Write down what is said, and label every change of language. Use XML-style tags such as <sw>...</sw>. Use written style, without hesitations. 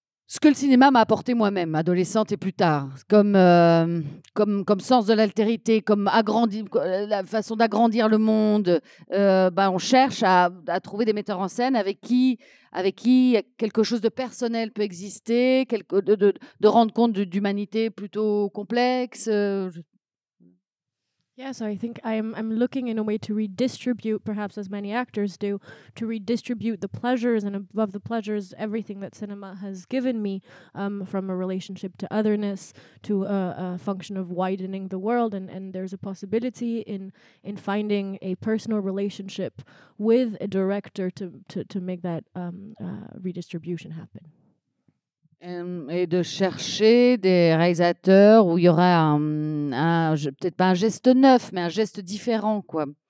<fr>Ce que le cinéma m'a apporté moi-même, adolescente et plus tard, comme sens de l'altérité, comme agrandir, la façon d'agrandir le monde, on cherche à trouver des metteurs en scène avec qui quelque chose de personnel peut exister, de rendre compte d'humanité plutôt complexe.</fr> <en>Yeah, so I think I'm looking in a way to redistribute, perhaps as many actors do, to redistribute the pleasures and above the pleasures, everything that cinema has given me, from a relationship to otherness, to a function of widening the world. And there's a possibility in finding a personal relationship with a director to make that redistribution happen.</en> <fr>Et de chercher des réalisateurs où il y aura peut-être pas un geste neuf, mais un geste différent, quoi.</fr>